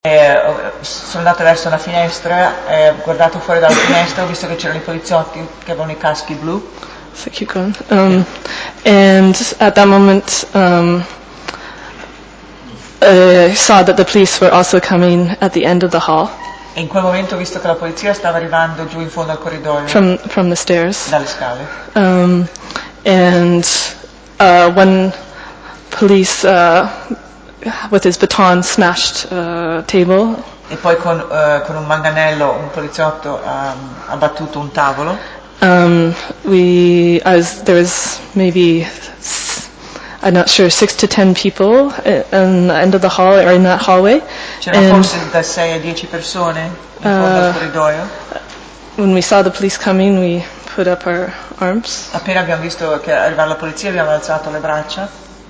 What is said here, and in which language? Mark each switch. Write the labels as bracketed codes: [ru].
[it] Sono andato verso la finestra, guardato fuori dalla finestra, ho visto che c'erano i poliziotti che avevano i caschi blu. [en] So keep going. And at that moment, I saw that the police were also coming at the end of the hall. [it] E in quel momento ho visto che la polizia stava arrivando giù in fondo al corridoio, [en] From the stairs. [it] dalle scale. [en] One police with his baton smashed a table. [it] E poi con un manganello un poliziotto ha battuto un tavolo. [en] There was maybe, I'm not sure, 6 to 10 people at the end of the hall or in that hallway. [it] C'erano forse da 6 a 10 persone in fondo al corridoio. [en] When we saw the police coming, we put up our arms. [it] Appena abbiamo visto che arrivava la polizia, abbiamo alzato le braccia.